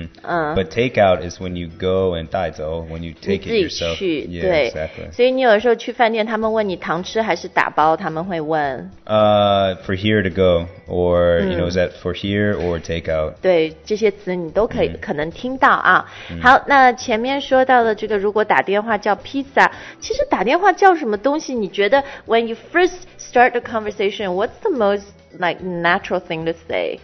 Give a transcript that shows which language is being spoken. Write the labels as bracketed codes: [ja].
[en] but takeout is when you go and [zh] 带走 [en] when you take it yourself [zh] 你自己去 [en] yeah, [zh] 对、 [en] exactly. [zh] 所以你有的时候去饭店他们问你堂吃还是打包他们会问 [en] for here to go or、you know is that for here or takeout [zh] 对这些词你都可以、可能听到啊、好那前面说到的这个如果打电话叫 pizza 其实打电话叫什么东西你觉得 [en] when you first start the conversation what's the most like natural thing to say